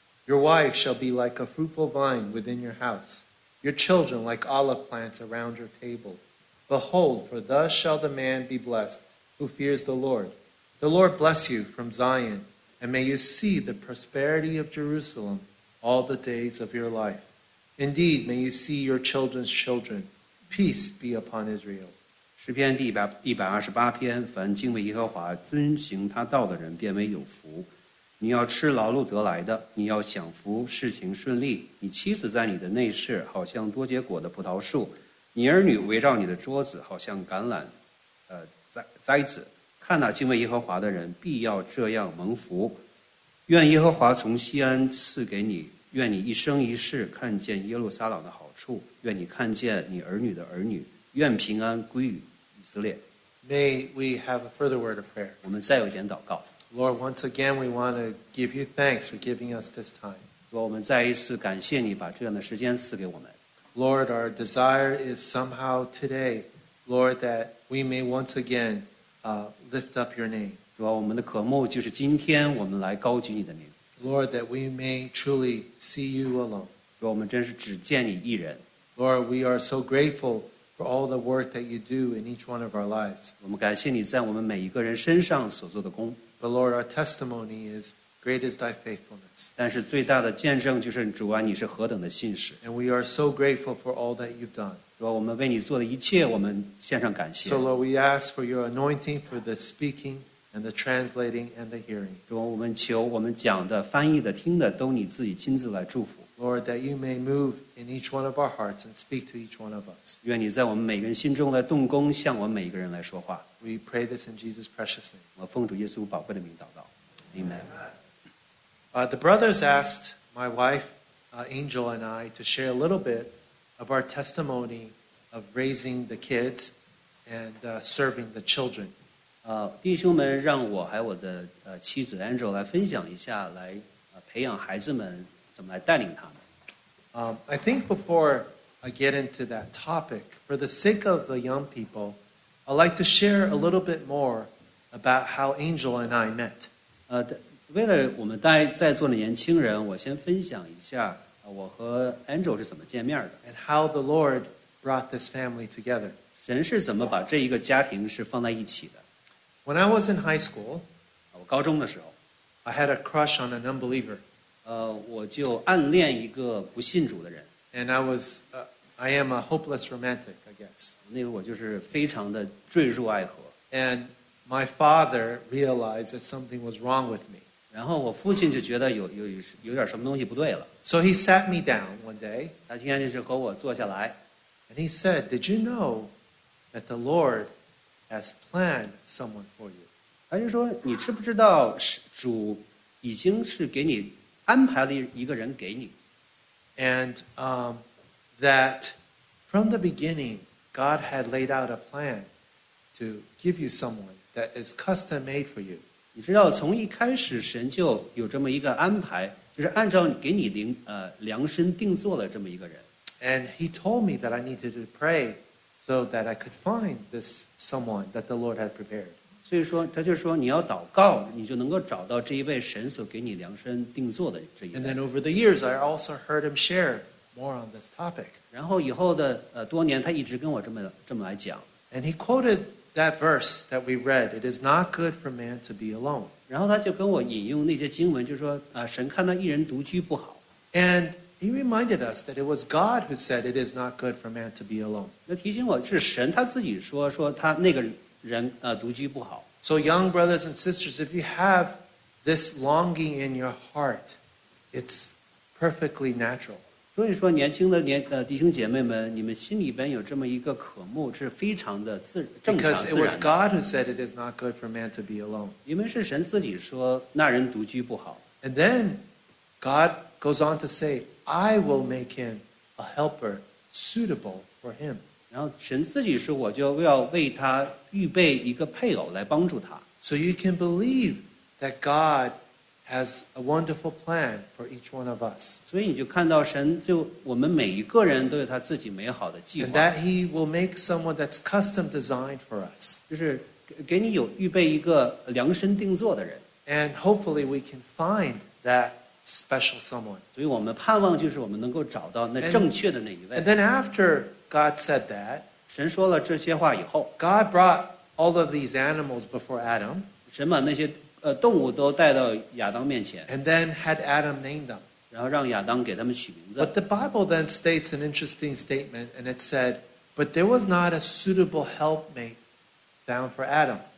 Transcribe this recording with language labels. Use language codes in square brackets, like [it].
[en] Your wife shall be like a fruitful vine within your house. Your children like olive plants around your table. Behold, for thus shall the man be blessed who fears the Lord. The Lord bless you from Zion, and may you see the prosperity of Jerusalem all the days of your life. Indeed, may you see your children's children. Peace be upon Israel. [zh] 诗篇第一百二十八篇，凡敬畏耶和华、遵行他道的人，变为有福。你要吃劳碌得来的，你要享福，事情顺利。你妻子在你的内室，好像多结果的葡萄树；你儿女围绕你的桌子，好像橄榄，栽子。看那敬畏耶和华的人，必要这样蒙福。愿耶和华从锡安赐给你，愿你一生一世看见耶路撒冷的好处，愿你看见你儿女的儿女，愿平安归于以色列。 [en] May we have a further word of prayer. [zh] 我们再有一点祷告。 [en] Lord, once again, we want to give you thanks for giving us this time. [zh] 我们再一次感谢你把这样的时间赐给我们。 [en] Lord, our desire is somehow today, Lord, that we may once again, lift up your name. [zh] 主啊，我们的渴慕就是今天我们来高举你的名。 [en] Lord, that we may truly see you alone. [zh] 主啊，我们真是只见你一人。 [en] Lord, we are so grateful for all the work that you do in each one of our lives. [zh] 我们感谢你在我们每一个人身上所做的工。 [en] But Lord, our testimony is great is thy faithfulness. [zh] 但是最大的见证就是主啊，你是何等的信实。 [en] And we are so grateful for all that you've done. [zh] 主啊，我们为你做的一切，我们献上感谢。 [en] So Lord, we ask for your anointing for the speaking and the translating and the hearing. [zh] 主啊，我们求我们讲的、翻译的、听的，都你自己亲自来祝福。 [en] Lord, that you may move in each one of our hearts and speak to each one of us. [zh] 愿你在我们每个人心中来动工，向我们每一个人来说话。 [en] We pray this in Jesus' precious name. [zh] 我奉主耶稣宝贵的名祷告。 [en] Amen. The brothers asked my wife, Angel, and I to share a little bit of our testimony of raising the kids and serving the children. [zh] 弟兄们让我还有我的妻子 Angel 来分享一下，来培养孩子们怎么来带领他们。 [en] I think before I get into that topic, for the sake of the young people,I'd like to share a little bit more about how Angel and I met. [zh] 为了我们在座的年轻人，我先分享一下我和 Angel 是怎么见面的。 [en] And how the Lord brought this family together. [zh] 人是怎么把这一个家庭是放在一起的 [en] ？When I was in high school， [zh] 我高中的时候 [en] ，I had a crush on an unbeliever。 [zh] 我就暗恋一个不信主的人。 [en] And I was、I am a hopeless romantic, I guess。 [zh] 那个我就是非常的坠入爱河。 [en] And my father realized that something was wrong with me。 [zh] 然后我父亲就觉得有点什么东西不对了。 [en] So he sat me down one day。 [zh] 他今天就是和我坐下来。 [en] And he said, "Did you know that the Lord has planned someone for you?" [zh] 他就说，你知不知道主已经是给你安排了一个人给你。 [en] And that from the beginning, God had laid out a plan to give you someone that is custom made for you. [zh] 你知道从一开始神就有这么一个安排，就是按照给你量身定做了这么一个人。 [en] And he told me that I needed to pray so that I could find this someone that the Lord had prepared. [zh] 所以说他就说你要祷告你就能够找到这一位神所给你量身定做的这一位。 [en] And then over the years, I also heard him share more on this topic. [zh] 然后以后的多年他一直跟我这么来讲。 [en] And he quoted that verse that we read, "It is not good for man to be alone." [zh] 然后他就跟我引用那些经文就说神看到一人独居不好。 [en] And he reminded us that it was God who said it is not good for man to be alone. [zh] 那提醒我是神他自己说他那个人独居不好。 [en] So young brothers and sisters, if you have this longing in your heart, it's perfectly natural. [zh] 所以说年轻的弟兄姐妹们，你们心里边有这么一个渴慕，是非常的正常自然。 [en] Because it was God who said it is not good for man to be alone. [zh] 因为是神自己说那人独居不好。 [en] And then God goes on to say, "I will make him a helper suitable for him." [zh] 然后神自己说，我就要为他预备一个配偶来帮助他。 [en] So you can believe that God has a wonderful plan for each one of us. [zh] 所以你就看到神就我们每一个人都有他自己美好的计划。 [en] And that He will make someone that's custom designed for us. [zh] 就是给你有预备一个量身定做的人。 [en] And hopefully we can find that special someone. [zh] 所以我们盼望就是我们能够找到那正确的那一位。 [en] And then after God said that, [zh] 神说了这些话以后 [en] God brought all of these animals before Adam. [zh] 神把那些动物都带到亚当面前 [en] And then had Adam name them. [zh] 然后让亚当给他们取名字 [en] But the Bible then states an interesting statement, and it said, "But there was not a suitable helpmate found for Adam."